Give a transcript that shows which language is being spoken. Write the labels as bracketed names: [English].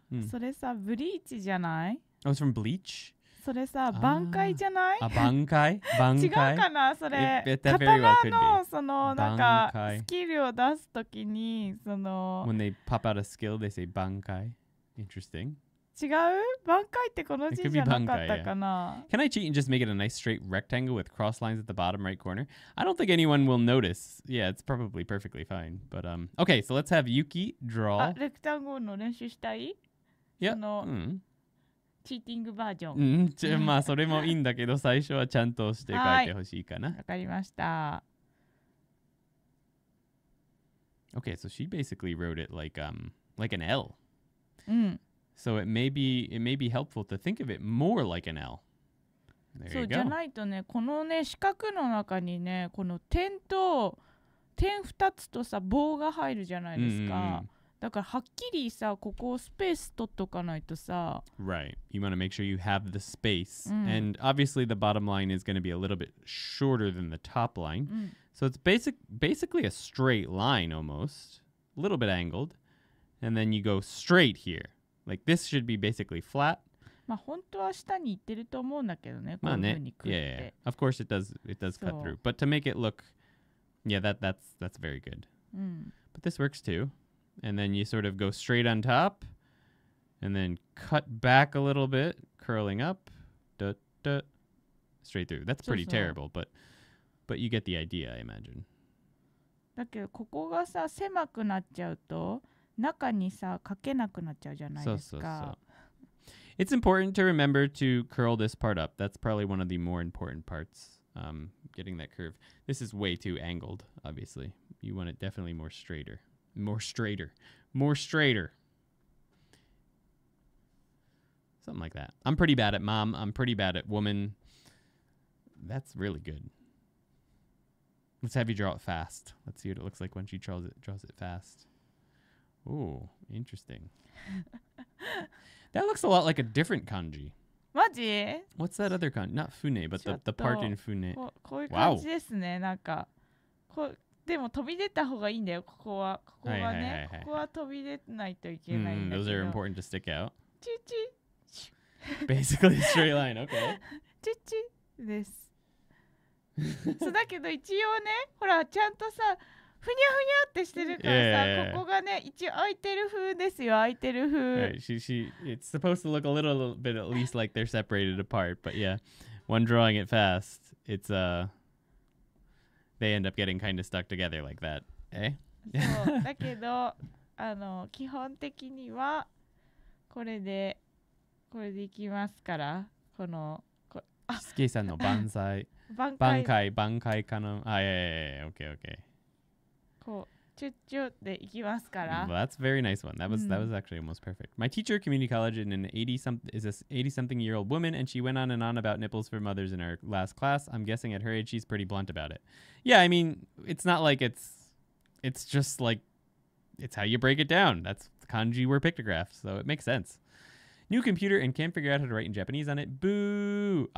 [Japanese] それさ、ブリーチじゃない? [English] Oh, it's from bleach? [Japanese] それさ、挽回じゃない? あ、挽回?挽回? 違うかな、それ。刀のその、なんか、スキルを出すときに、その。 [English] When they pop out a skill, they say 挽回. Interesting. [Japanese] 違う? 挽回ってこの字じゃなかったかな? [English] Can I cheat and just make it a nice straight rectangle with cross lines at the bottom right corner? I don't think anyone will notice. Yeah, it's probably perfectly fine. But, okay, so let's have Yuki draw. [Japanese] Rectangle の練習したい? [English] Yep. [Japanese] その、チーティングバージョン。うん、まあそれもいいんだけど、最初はちゃんとして書いてほしいかな。わかりました。 [English] Okay, so she basically wrote it like an L. [Japanese] うん。 [English] So it may be helpful to think of it more like an L. [Japanese] そうじゃないとね、このね四角の中にね、この点と点二つとさ棒が入るじゃないですか。だからはっきりさここをスペース取っとかないとさ。 [English] Right. You want to make sure you have the space. And obviously the bottom line is going to be a little bit shorter than the top line. So it's basically a straight line almost, a little bit angled, and then you go straight here. Like, this should be basically flat. [Japanese] まあ、本当は下に行ってると思うんだけどね、こういう風に食って。まあね、 [English] yeah. Of course, it does cut through. But to make it look... Yeah, that's very good. But this works too. And then you sort of go straight on top. And then cut back a little bit, curling up. Straight through. That's pretty terrible, but you get the idea, I imagine. [Japanese] だけど、ここがさ、狭くなっちゃうと、中にさ、書けなくなっちゃうじゃないですか。 [English] It's important to remember to curl this part up. That's probably one of the more important parts, getting that curve. This is way too angled, obviously. You want it definitely more straighter. More straighter. More straighter. Something like that. I'm pretty bad at mom. I'm pretty bad at woman. That's really good. Let's have you draw it fast. Let's see what it looks like when she draws it fast. Ooh, interesting. That looks a lot like a different kanji. Maji? What's that other kanji? Not fune, but the part in fune. Wow. [Japanese] こういう感じですね、なんか。こう、でも飛び出た方がいいんだよ、ここは。ここはね、ここは飛び出ないといけないんだけど。 [English] Those are important to stick out. [Japanese] チュチュ。 [English] Basically a straight line, okay. [Japanese] チュチュです。そうだけど一応ね、ほら、ちゃんとさ、ふにゃふにゃってしてるからさ、 [English] yeah, yeah, yeah. [Japanese] ここがね、一応開いてる風ですよ、開いてる風。 [English] Right, she, it's supposed to look a little bit at least like they're separated apart, but yeah, when drawing it fast, it's, they end up getting kind of stuck together like that, eh? [Japanese] そう、だけど、基本的にはこれで、これでいきますから、この、スキーさんの万歳、万回、万回かな、あ、いやいやいや、OK, OK. チュッチュッでいきますから。 [English] Well, that's a very nice one. That was actually almost perfect. My teacher at community college in an 80-something-year-old woman, and she went on and on about nipples for mothers in her last class. I'm guessing at her age, she's pretty blunt about it. Yeah, I mean, it's not like it's just like, it's how you break it down. That's kanji were pictographs, so it makes sense. New computer and can't figure out how to write in Japanese on it. Boo!